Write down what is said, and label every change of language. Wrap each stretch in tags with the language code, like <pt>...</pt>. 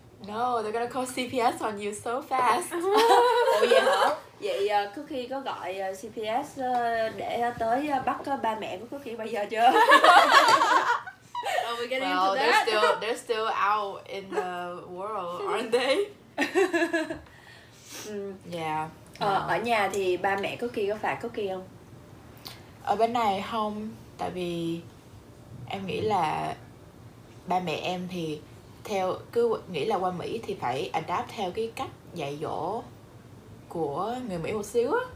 <en>No, they're gonna call CPS on you so fast.</en> <vi>Ủa vậy hả? Vậy Cookie có gọi CPS để tới bắt ba mẹ của Cookie bao giờ chưa?</vi> <en>Are we getting into that? They're still out in the world, aren't they? Yeah.</en> <vi>Ở nhà thì ba mẹ Cookie có phạt Cookie không? Ở bên này không, tại vì em nghĩ là ba mẹ em thì theo cứ nghĩ là qua Mỹ thì phải adapt theo cái cách dạy dỗ của người Mỹ một xíu á.</vi>